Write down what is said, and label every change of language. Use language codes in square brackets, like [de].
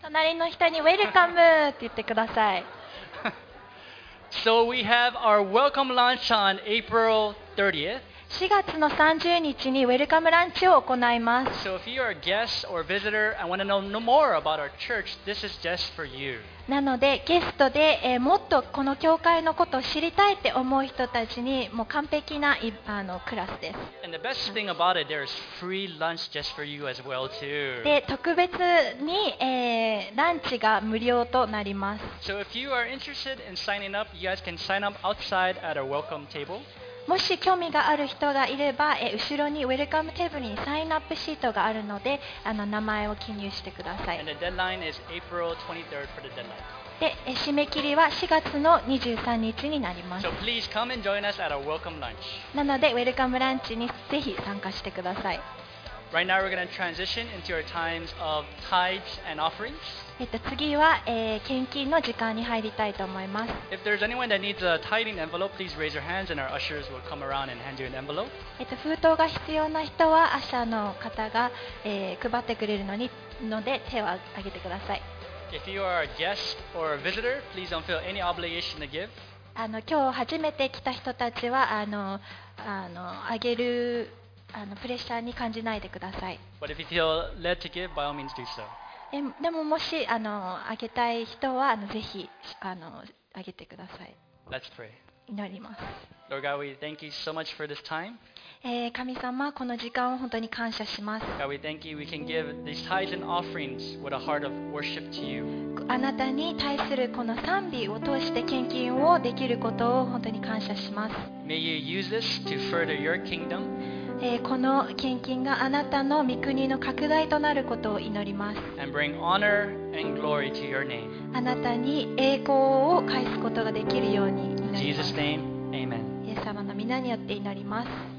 [ja] 隣の人に welcome って言ってください。 [en] So we have our welcome lunch on April [ja] 30th. 4月の30日に welcome lunch を行います。 [en] So if you are a guest or visitor and want to know more about our church, this is just for you. [ja] なのでゲストで、もっとこの教会のことを知りたいって思う人たちにもう完璧なあのクラスです。 [en] And the best thing about it, there is free lunch just for you as well too. [ja] で特別に、ランチが無料となります。 [en] So if you are interested in signing up, you guys can sign up outside at our welcome table. [ja] もし興味がある人がいれば、後ろにウェルカムテーブルにサインアップシートがあるのであの名前を記入してください。 [en] And the deadline is April 23rd for the deadline. [ja] で締め切りは4月の23日になります。 [en] So please come and join us at our welcome lunch. [ja] なのでウェルカムランチにぜひ参加してください。 [en] Right now we're going to transition into our times of tithes and offerings. [ja] 次は、献金の時間に入りたいと思います。 [en] If there's anyone that needs a tithing envelope, please raise your hands and our ushers will come around and hand you an envelope. [ja] 封筒が必要な人はアシャの方が、配ってくれるのにので手を挙げてください。 [en] If you are a guest or a visitor, please don't feel any obligation to give. [ja] 今日初めて来た人たちはあげるプレッシャーに感じないでください。 [en] But if you feel led to give, by all means do so. [ja] でももしあげたい人はぜひあげてください。 [en] Let's pray. [ja] 祈ります。 [en] Lord God, we thank you so much for this time. [ja] 神様、この時間を本当に感謝します。 [en] God, we thank you. We can give these tithes and offerings with a heart of worship to you. [ja] あなたに対するこの賛美を通して献金をできることを本当に感謝します。 [en] May you use this to further your kingdom. [ja] この献金があなたの御国の拡大となることを祈ります。 [en] And bring honor and glory to your name. [ja] あなたに栄光を返すことができるように祈ります。 [en] Jesus' name, amen. [ja] イエス様の御名によって祈ります。